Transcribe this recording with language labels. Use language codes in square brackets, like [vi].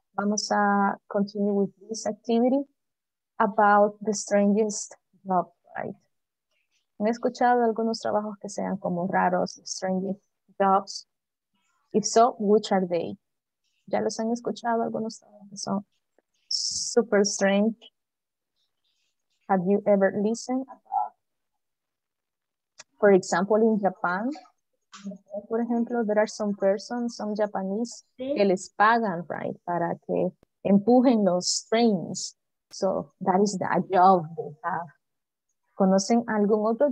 [es] Vamos a [en] continue with this activity about the strangest job, right? [es] ¿Han escuchado algunos trabajos que sean como raros, [en] strangest jobs? If so, which are they? [es] ¿Ya los han escuchado algunos trabajos que son super [en] strange? Have you ever listened about, for example, in Japan? For example, there are some persons, some Japanese, [es] que les pagan, [en] right, [es] para que empujen los [en] trains. So that is the job they have. [es] ¿Conocen algún otro?